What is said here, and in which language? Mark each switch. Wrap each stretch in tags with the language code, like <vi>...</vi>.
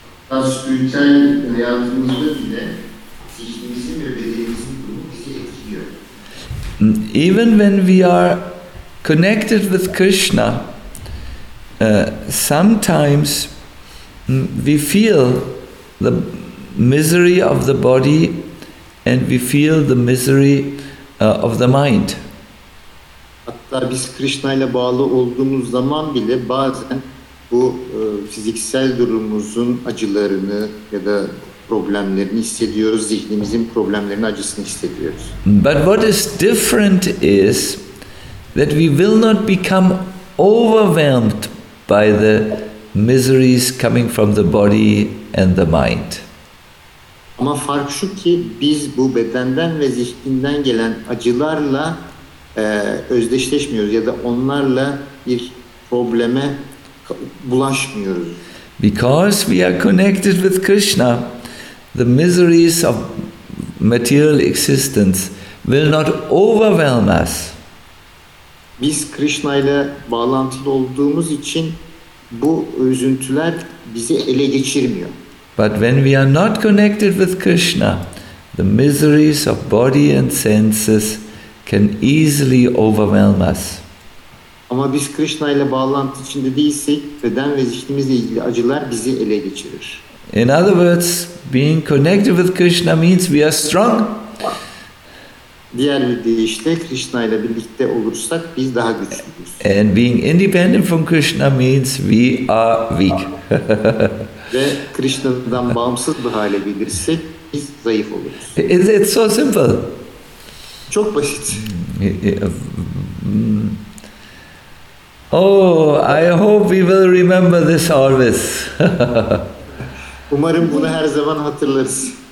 <en>Even when we are connected with Krishna, sometimes we feel the misery of the body and we feel the misery of the mind.</en> <tr>Hatta biz Krishna ile bağlı olduğumuz zaman bile bazen bu fiziksel durumumuzun acılarını ya da problemlerini hissediyoruz, zihnimizin problemlerini, acısını hissediyoruz.</tr> <en>But what is different is that we will not become overwhelmed by the miseries coming from the body and the mind.</en> <tr>Ama fark şu ki biz bu bedenden ve zihninden gelen acılarla özdeşleşmiyoruz ya da onlarla bir probleme bulaşmıyoruz.</tr> <en>Because we are connected with Krishna, the miseries of material existence will not overwhelm us.</en> <tr>Biz Krishna ile bağlantılı olduğumuz için bu üzüntüler bizi ele geçirmiyor.</tr> <en>But when we are not connected with Krishna, The miseries of body and senses can easily overwhelm us.</en> <tr>Ama biz Krishna ile bağlantı içinde değilsek, beden ve zihnimizle ilgili acılar bizi ele geçirir.</tr> <en>In other words, being connected with Krishna means we are strong.</en> <tr>Diğer bir deyişle Krishna ile birlikte olursak biz daha güçlüyüz.</tr> <en>And being independent from Krishna means we are weak.</en> <tr>Ve Krishna'dan bağımsız bir hale gelirsek biz zayıf oluruz.</tr> <en>It's so simple.</en> <tr>Çok basit.</tr> <en>Oh, I hope we will remember this always.</en> <tr>Umarım bunu her zaman hatırlarız.</tr>